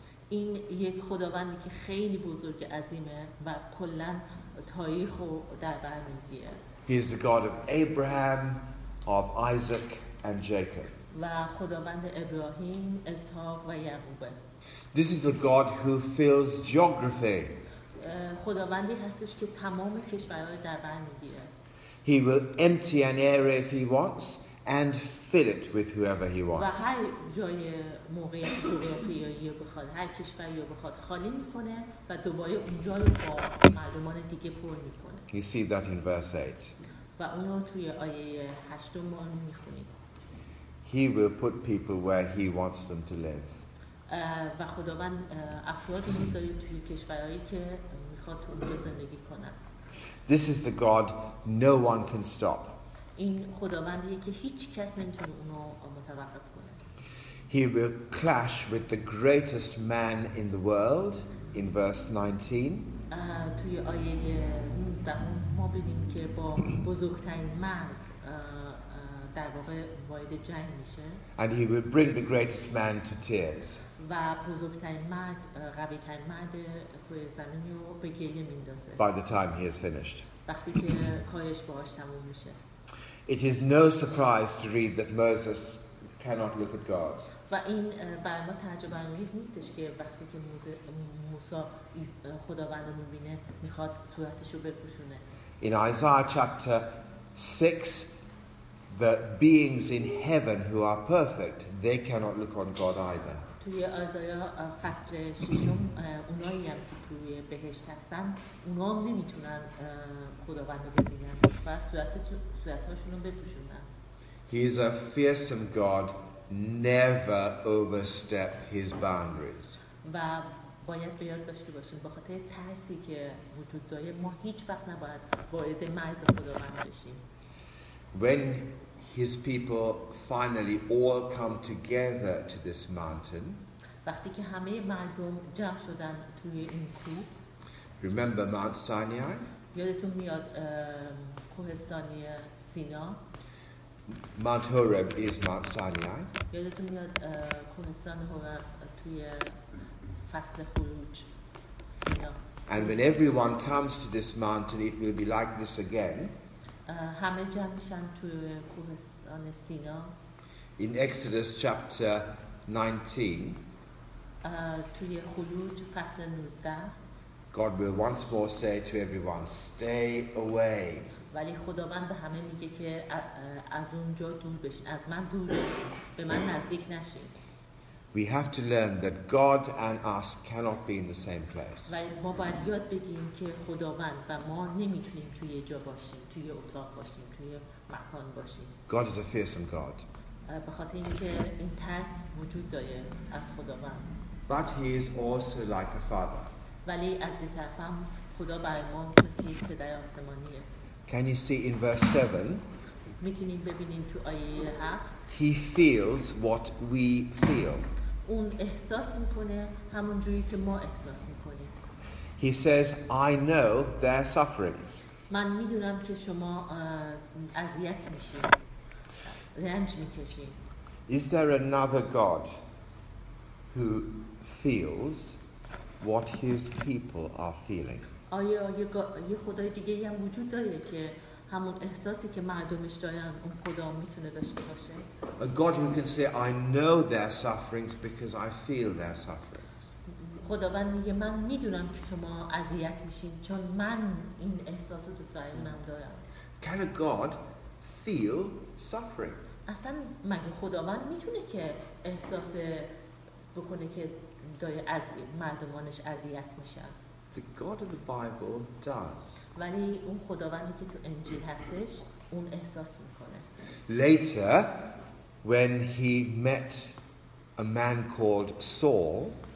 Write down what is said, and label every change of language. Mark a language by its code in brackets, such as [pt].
[fa] این یک خداوندی که خیلی بزرگ عظیمه و کلن تاریخ رو در بر میگیره. [en] He is the God of Abraham, of Isaac and Jacob. [fa] و خداوند ابراهیم، اسحاق و یعقوب. [en] This is the God who fills geography. [fa] خداوندی هستش که تمام کشورها رو در بر میگیره. [en] He will empty an area if he wants and fill it with whoever he wants. [fa] و هر جای موقعیت جغرافیایی رو بخواد، هر کشوری رو بخواد خالی میکنه و دوباره اونجا رو با مردمان دیگه پر میکنه. [en] You see that in verse 8. [fa] و اونو توی آیه 8 ما میخونیم. [en] He will put people where he wants them to live. [fa] و خداوند افراد میذاره توی کشورهایی که میخواد اونجا زندگی کنن. [en] This is the God no one can stop. [fa] این خداوندیه که هیچ کس نمیتونه اونو متوقف کنه. [en] He will clash with the greatest man in the world in verse 19. [fa] توی آیه 19 ما ببینیم که با بزرگترین مرد در واقع وارد جنگ میشه. [en] And he will bring the greatest man to tears. [fa] و بزرگترین مرد قوی‌ترین مرد روی زمین رو به گریه میندازه. [en] By the time he is finished. [fa] وقتی که کارش باهاش تموم میشه. [en] It is no surprise to read that Moses cannot look at God. [fa] و این برای ما تعجب انگیز نیستش که وقتی که موسی خداوند رو میبینه میخواد صورتش رو بپوشونه. [en] In Isaiah chapter 6 the beings in heaven who are perfect, they cannot look on God either. [fa] توی آزایه فصل ششم اونایی هم که توی بهشت هستن اونا هم نمیتونن خداوند رو ببینن و صورتاشون رو بپوشونن. [en] He is a fearsome God, never overstepped his boundaries. [fa] و باید به یاد داشته باشیم بخاطر ترسی که وجود داره ما هیچ وقت نباید وارد مرز خداوند بشیم. [en] When his people finally all come together to this mountain. [fa] وقتی که همه مردم جمع شدن توی این کوه. [en] Remember Mount Sinai? [fa] یادتون میاد کوه سینای؟ [en] Mount Horeb is Mount Sinai. [fa] یادتون میاد کوه هورب توی فصل خروج سینا. [en] And when everyone comes to this mountain it will be like this again. [fa] همه جمع میشن تو کوهستان سینا. [en] In Exodus chapter 19 [fa] توی خروج فصل 19 [en] God will once more say to everyone stay away. [fa] ولی خداوند به همه میگه که از اونجا دور بشین، از من دور بشین، به من نزدیک نشین. [en] We have to learn that God and us cannot be in the same place. [fa] ولی ما باید یاد بگیریم که خداوند و ما نمیتونیم توی یه جا باشیم، توی یه اتاق باشیم، توی یه مکان باشیم. [en] God is a fearsome God. [fa] به خاطر اینکه این ترس وجود داره از خداوند. [en] But he is also like a father. [fa] ولی از یه طرف هم خدا برای ما کسی پدر آسمانیه. [en] Can you see in verse 7? [fa] میتونیم ببینیم تو آیه 7. [en] He feels what we feel. [fa] اون احساس میکنه همون جوری که ما احساس میکنیم. [en] He says, I know their sufferings. [fa] من میدونم که شما اذیت میشید. رنج میکشید. [en] Is there another God who feels what his people are feeling? [fa] آیا یه خدای دیگه هم وجود داره که همون احساسی که مردمش دارن اون خدا میتونه داشته باشه؟ [en] A God who can say I know their sufferings because I feel their sufferings. [fa] خداوند میگه من میدونم که شما اذیت میشین چون من این احساسو تو درونم دارم. [en] Can a God feel suffering? [fa] اصلا مگه خداوند میتونه که احساس بکنه که داره از مردمانش اذیت میشن؟ [en] The God of the Bible does. [fa] ولی اون خداوندی که تو انجیل هستش اون احساس میکنه. [en] Later when he met a man called Saul